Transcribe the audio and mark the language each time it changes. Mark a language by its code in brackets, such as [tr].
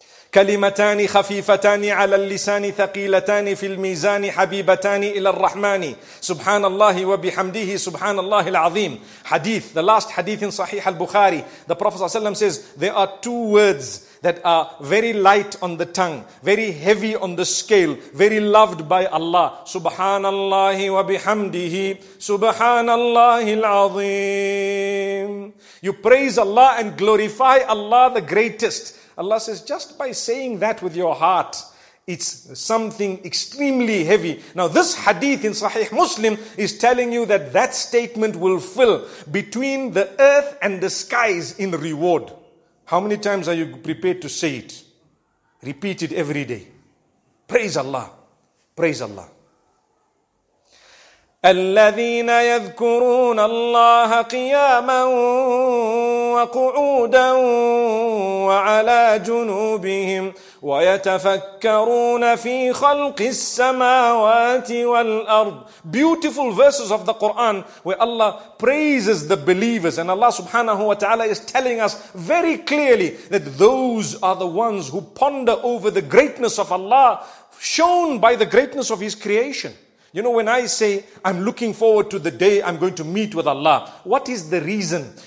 [ar] كلمتان خفيفتان على اللسان ثقيلتان في الميزان حبيبتان إلى الرحمن سبحان الله وبحمده سبحان الله العظيم. [en] Hadith, the last hadith in Sahih al-Bukhari, the Prophet ﷺ says, there are two words that are very light on the tongue, very heavy on the scale, very loved by Allah. [ar] سبحان الله وبحمده سبحان الله العظيم. [en] You praise Allah and glorify Allah the greatest. Allah says, just by saying that with your heart, it's something extremely heavy. Now this hadith in Sahih Muslim is telling you that that statement will fill between the earth and the skies in reward. How many times are you prepared to say it? Repeat it every day. Praise Allah. Praise Allah. [ar] الذين يذكرون الله قياما وقعودا وعلى جنوبهم ويتفكرون في خلق السماوات والأرض. [en] Beautiful verses of the Quran where Allah praises the believers, and Allah subhanahu wa ta'ala is telling us very clearly that those are the ones who ponder over the greatness of Allah, shown by the greatness of His creation. You know, when I say I'm looking forward to the day I'm going to meet with Allah, what is the reason?